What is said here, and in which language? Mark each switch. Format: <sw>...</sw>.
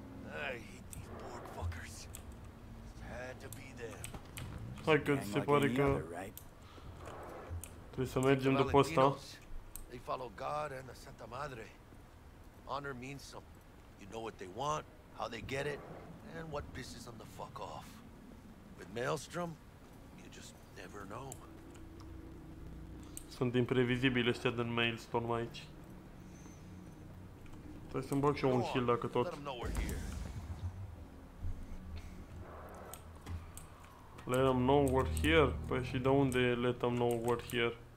<en>I hate these Borg fuckers. Had to be them.</en> <ro>Hai că se pare că trebuie să mergem după asta.</ro> <en>They follow God and the Santa Madre. Honor means something. You know what they want, how they get it, and what pisses them the fuck off. With Maelstrom, you just never know.</en> <ro>Sunt imprevizibili ăștia din Maelstrom aici. Trebuie să-mi bag și un shield dacă tot.</ro> <en>Let them know we're here.</en> <ro>Păi și de unde</ro> <en>let them know we're here?</en>